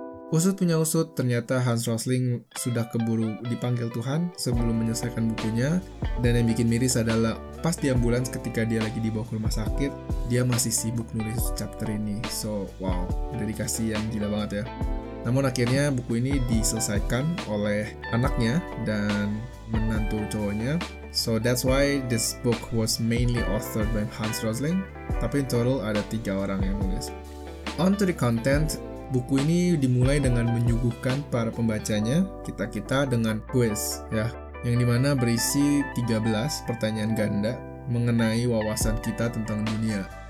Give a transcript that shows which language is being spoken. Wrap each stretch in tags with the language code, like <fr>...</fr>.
<id>Usut punya usut, ternyata Hans Rosling sudah keburu dipanggil Tuhan sebelum menyelesaikan bukunya. Dan yang bikin miris adalah pas di ambulans ketika dia lagi dibawa ke rumah sakit, dia masih sibuk nulis chapter ini. So, wow, dedikasi yang gila banget ya. Namun akhirnya buku ini diselesaikan oleh anaknya dan menantu cowoknya.</id> <en>So that's why this book was mainly authored by Hans Rosling.</en> <id>Tapi</id> <en>in total</en> <id>ada 3 orang yang nulis.</id> <en>On to the content,</en> <id>buku ini dimulai dengan menyuguhkan para pembacanya, kita-kita, dengan quiz ya, yang dimana berisi 13 pertanyaan ganda mengenai wawasan kita tentang dunia.</id>